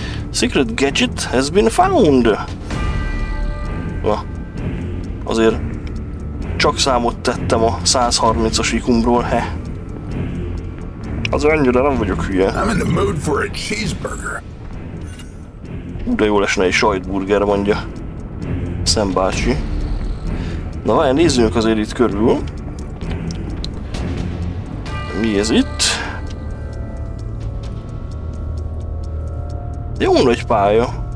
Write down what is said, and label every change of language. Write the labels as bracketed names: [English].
[English] Secret gadget has been found! Na. [Hungarian] Azért csak számot tettem a 130-as ikumról, he. Az annyira nem vagyok hülye. [English] I'm in the mood for a cheeseburger. [Hungarian] De jól esne egy sajtburger, mondja. Sam bácsi. Na várjál, nézzünk azért itt körül. Mi ez itt? Jó nagy pálya.